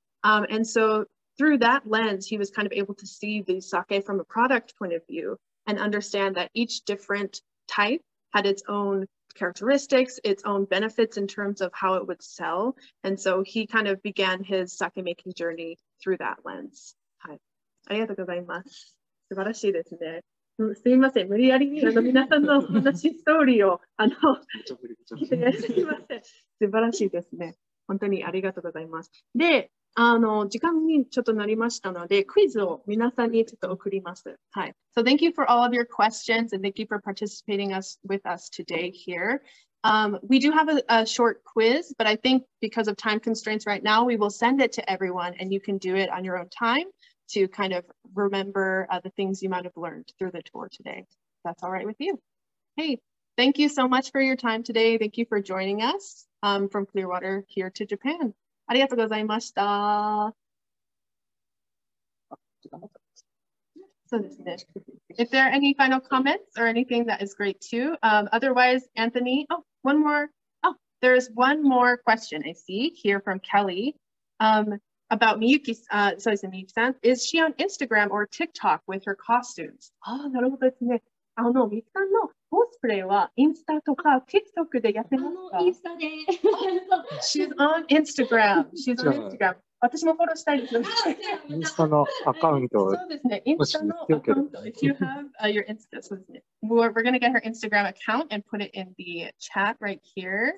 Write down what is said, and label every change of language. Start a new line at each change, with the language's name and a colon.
English: And so through that lens, he was kind of able to see the sake from a product point of view. And understand that each different type had its own characteristics, its own benefits in terms of how it would sell. And so he kind of began his sake making journey through that lens.
Japanese: ありがとうございます。素晴らしいですね。すみません、無理やりに皆さんの話ストーリーを素晴らしいですね。本当にありがとうございます。で、時間にちょっとなりましたので、クイズを皆さんにちょっと送ります。はい。
English: So thank you for all of your questions and thank you for participating with us today here. We do have a short quiz, but I think because of time constraints right now, we will send it to everyone and you can do it on your own time to kind of remember the things you might have learned through the tour today. That's all right with you. Hey, thank you so much for your time today. Thank you for joining us from Clearwater here to Japan.
Japanese: ありがとうございました。そうですね。
English: If there are any final comments or anything that is great too, otherwise, Anthony, there is one more question I see here from Kelly about Miyuki, Miyuki-san. Is she on Instagram or TikTok with her costumes?
Japanese: ああ、なるほどですね。ミキさんのコスプレはインスタとかTikTokでやってますか？インスタで。
English: She's on Instagram. She's on Instagram.
Japanese: 私もフォローしたいです。インスタのアカウント。そうですね。インスタのアカウント。
English: If you have your Insta,
Japanese: そうですね。
English: We're gonna get her Instagram account and put it in the chat right here.